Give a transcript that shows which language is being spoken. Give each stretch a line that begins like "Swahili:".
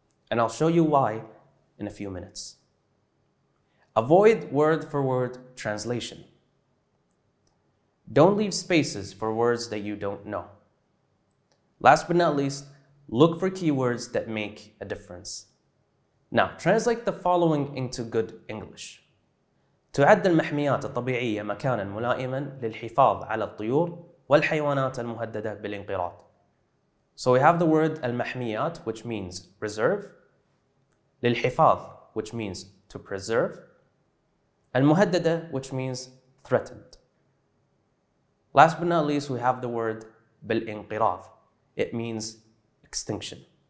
English: And I'll show you why in a few minutes. Avoid word-for-word translation. Don't leave spaces for words that you don't know. Last but not least, look for keywords that make a difference. Now, translate the following into good English.
Arabic: تعد المحميات الطبيعية مكاناً ملائماً للحفاظ على الطيور والحيوانات المهددة بالانقراض.
English: So we have the word المحميات, which means reserve. للحفاظ, which means to preserve. المهددة, which means threatened. Last but not least, we have the word بالانقراض. It means extinction.